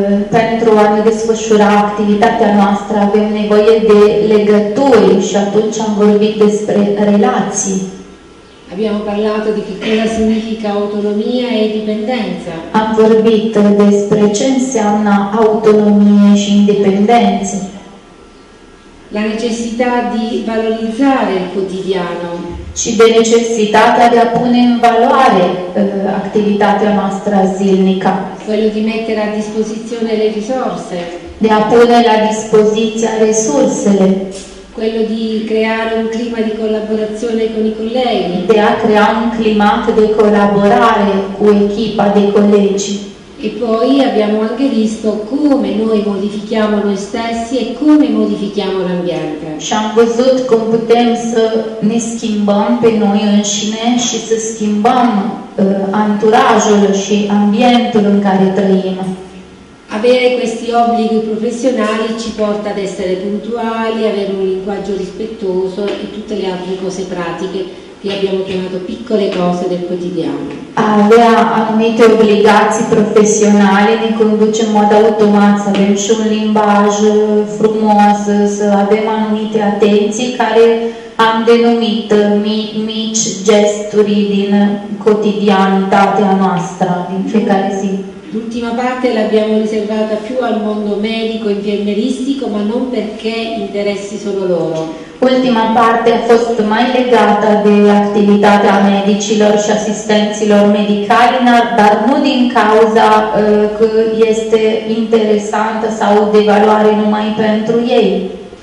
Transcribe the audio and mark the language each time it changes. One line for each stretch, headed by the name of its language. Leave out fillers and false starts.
Romanian: Pentru a ne desfășura activitatea noastră avem nevoie de legături și atunci am vorbit despre relații.
Italian: Abbiamo parlato di che cosa significa autonomia e dipendenza.
Romanian: Am vorbit despre ce înseamnă autonomie și independență.
Italian: La necessità di valorizzare il quotidiano.
Romanian: Ci de necessitatea de a pune în valoare activitatea noastră zilnică.
Italian: Quello di mettere a disposizione le risorse.
Romanian: De a pune la dispoziția resursele.
Italian: Quello di creare un clima di collaborazione con i colleghi.
Romanian: De a crea un clima de colaborare cu echipa de colegi.
Italian: E poi abbiamo anche visto come noi modifichiamo noi stessi e come modifichiamo l'ambiente.
Romanian: Și am văzut cum putem să ne schimbăm pe noi înșine și să schimbăm anturajul și ambientul în care trăim.
Italian: Avere questi obblighi professionali ci porta ad essere puntuali, avere un linguaggio rispettoso e tutte le altre cose pratiche che abbiamo chiamato piccole cose del quotidiano.
Romanian: Avea anumite obligații profesionale, ne conduce în mod automat să avem și un limbaj frumos, să avem anumite atenții care am denumit mici gesturi din quotidianitatea noastră, din fiecare zi.
Italian: L'ultima parte l'abbiamo riservata più al mondo medico e infermieristico, ma non perché interessi solo loro. Ultima parte è stata mai legata all'attività dei medici e assistenti medicali, ma non in causa che è interessante o di valore numai per ei.